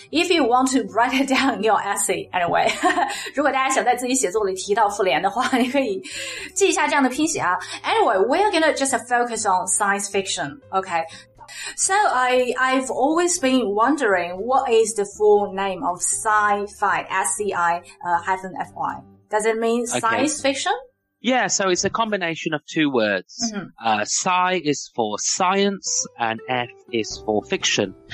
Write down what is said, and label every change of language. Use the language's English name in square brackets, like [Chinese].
[English] If you want to write it down in your essay, anyway. [Chinese] 如果大家想在自己写作里提到复联的话你可以记一下这样的拼写啊。 [English] Anyway, we're going to just focus on science fiction, okay? So I've always been wondering what is the full name of sci-fi, S-C-I-F-Y. Does it mean science fiction? Yeah, so it's a combination of two words. Sci is for science and F is for fiction.